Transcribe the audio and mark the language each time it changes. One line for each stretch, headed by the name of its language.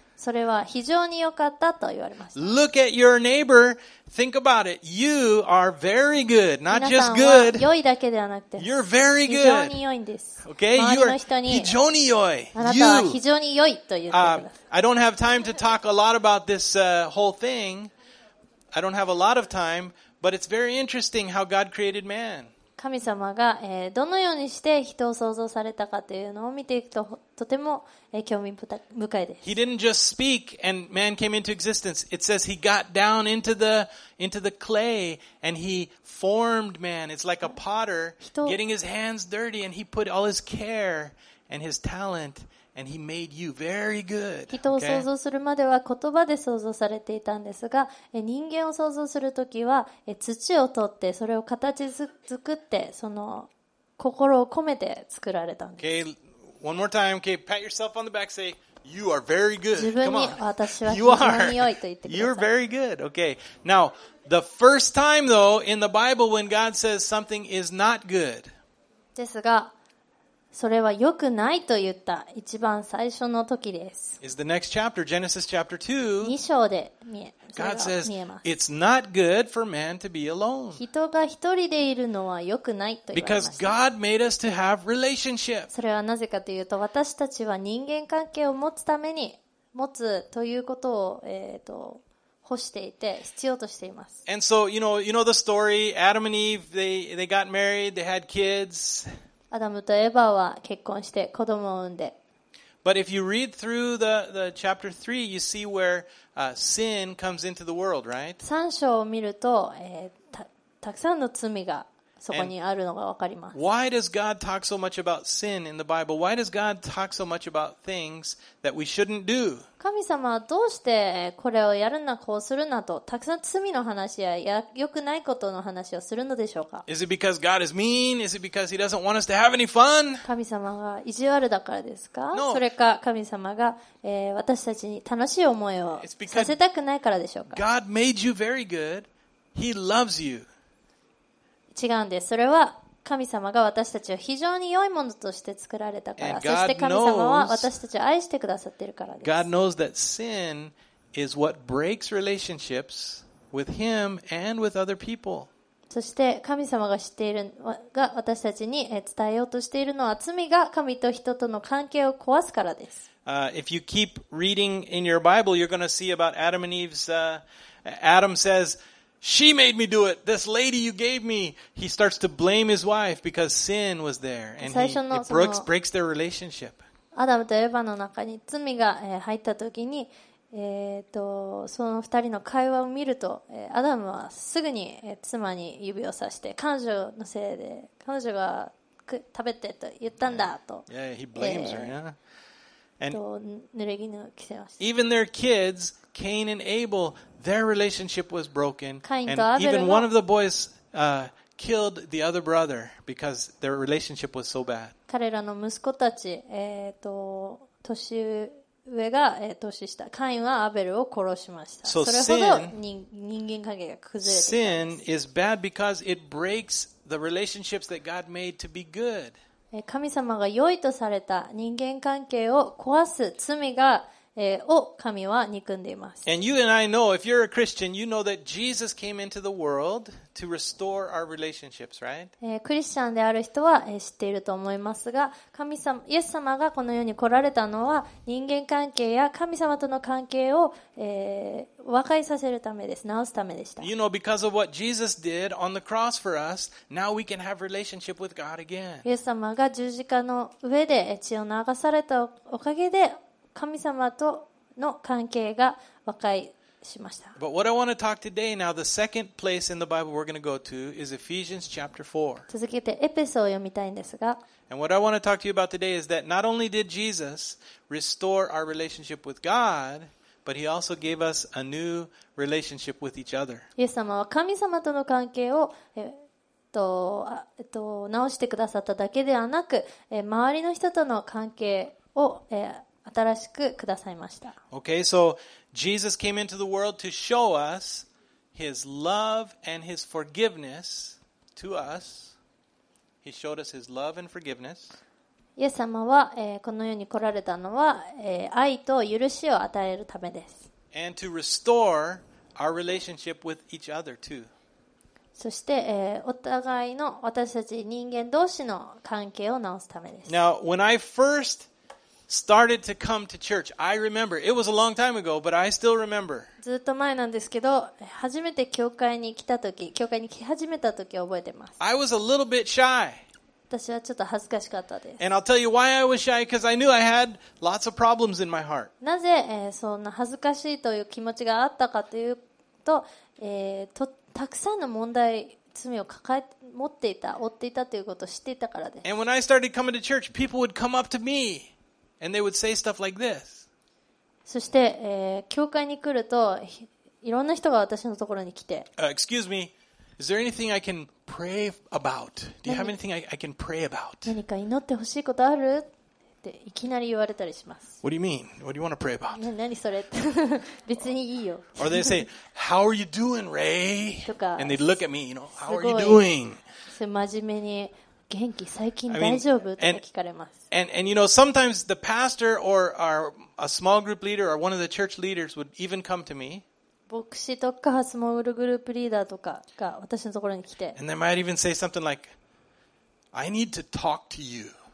Japanese: それは非常に良かったと言われました。
English: Look at your neighbor, think about it. You are very good, not just good.
Japanese: 皆さんは良いだけではなくて、
English: You're very good.
Japanese: 非常に良いんです。
English: Okay, you are
Japanese: 非常に良い。あなたは非常に良いと言ってます。
English: I don't have time to talk a lot about this whole thing. I don't have a lot of time, but it's very interesting how God created man.
Japanese: 神様が、どのようにして人を創造されたかというのを見ていくととても、興味深いです。
English: He didn't just speak and man came into existence. It says he got down into the clay and he formed man. It's like a potter getting his hands dirty and he put all his care and his talent and he made you very good.
Japanese: 人を創造するまでは言葉で創造されていたんですが、人間を創造するときは土を取ってそれを形作ってその心を込めて作られたんです。
English: Okay, one more time. Okay, pat yourself on the back. Say, "You are very good."
Japanese: 自分に私は非常に良いと言ってください。
English: You're very good. Okay. Now, the first time though in the Bible when God says something is not good.
Japanese: ですが。それは良くないと言った一番最初の時です。
English: Is the next chapter, Genesis chapter 2.
Japanese: 二章で見え、
English: God says, "It's not good for man to be alone."
Japanese: 人が一人でいるのは良くないと言われました。
English: Because God made us to have relationship.
Japanese: それはなぜかというと、私たちは人間関係を持つために、持つということを、欲していて必要としています。
English: And so, you know the story, Adam and Eve, they got married, they had kids.
Japanese: アダムとエヴァは結婚して子供を産んで。
English: But if you read through the chapter 3, you see where sin comes into the world, right?
Japanese: 3章を見ると、たくさんの罪がそこにあるのがわかります。
English: And、why does God talk so much about sin in the Bible? Why does God talk so much about things that we shouldn't do?
Japanese: 神様はどうしてこれをやるな、こうするなと、たくさん罪の話や良くないことの話をするのでしょうか?
English: Is it because God is mean? Is it because He doesn't want us to have any fun?
Japanese: 神様が意地悪だからですか?
English: No.
Japanese: それか神様が、私たちに楽しい思いをさせたくないからでしょうか?
English: God made you very good. He loves you.
Japanese: 違うんです。それは神様が私たちを非常に良いものとして作られたから、そして神様は私たちを愛してくださっているからです。
English: God knows that sin is what breaks relationships with Him and with other people.
Japanese: そして神様が知っているが私たちに伝えようとしているのは罪が神と人との関係を壊すからです。
English: If you keep reading in your Bible, you're going to see about Adam and Eve's. Adam says. She made me do it. This lady you gave me. He starts to blame his wife because sin was there, and it breaks their relationship.
Japanese: アダムとエヴァの中に罪が入った時に、その二人の会話を見ると、アダムはすぐに妻に指を指して、彼女のせいで、彼女が食べてと言ったんだと。
English: Yeah, he blames her. And
Japanese: ぬれぎぬを着せました。
English: Even their kids, Cain and Abel. Their relationship was broken, and even one of the boys killed the other brother because their relationship was so bad.
Japanese: 彼らの息子たち、年上が、年下、カインはアベルを殺しました。
English: So、
Japanese: それほど人間関係が崩れています。
English: Sin is bad because it breaks the relationships that God made to be good.
Japanese: 神様が良いとされた人間関係を壊す罪がを神は憎んでいます。
English: And you and I know, if you're a Christian, you know that Jesus came into the world to restore our relationships, right?
Japanese: クリスチャンである人は知っていると思いますが、神様、イエス様がこの世に来られたのは人間関係や神様との関係を和解させるためです、直すためでした。
English: You know, because of what Jesus did on the cross for us, now we can have relationship with God again.
Japanese: イエス様が十字架の上で血を流されたおかげで。神様との関係が和解しました。
English: But what I want to talk today now, the second place in the Bible we're going to go to is Ephesians chapter 4.
Japanese: 続けてエペソを読みたいんですが。
English: And what I want to talk to you about today is that not only did Jesus restore our relationship with God, but He also gave us a new relationship with each other.
Japanese: イエス様は神様との関係を直してくださっただけではなく、周りの人との関係を新しくくださいました。
English: Okay, so Jesus came into the world to show us His love and His forgiveness to us. He showed us His love and forgiveness.
Japanese: イエス様は、この世に来られたのは、愛と許しを与えるためです。
English: And to restore our relationship with each other too.
Japanese: そして、お互いの私たち人間同士の関係を直すためです。
English: Now, when I firstStarted to come to church. I remember. It was a long time ago, but I still remember.
Japanese: ずっと前なんですけど、初めて教会に来た時、教会に来始めた時を覚えてます。
English: I was a little bit shy.
Japanese: 私はちょっと恥ずかしかったです。
English: And I'll tell you why I was shy, because I knew I had lots of problems in my heart.
Japanese: なぜ、そんな恥ずかしいという気持ちがあったかというと、たくさんの問題、罪を抱え持っていた、負っていたということを知っていたからです。
English: And when I started coming to church, people would come up to me. And they would say stuff like this.
Japanese: そして、教会に来ると、いろんな人が私のところに来て。
English: Excuse me, is there anything I can pray about? Do you have anything I can pray about?
Japanese: 何か祈ってほしいことある?っていきなり言われたりします。
English: What do you mean? What do you want to pray about?
Japanese: 何それ?別にいいよ。
English: Or they say, How are you doing, Ray?
Japanese: とか、
English: And they'd look at me, you know, How are you doing?
Japanese: すごい、真面目に。元気最近大丈夫って聞かれます。
English: And you know, sometimes the pastor or a small group leader or one of the church leaders would even come to me.
Japanese: 牧師とかスモールグループリーダーとかが私のところに来て。
English: And they might even say something like, I need to talk to you.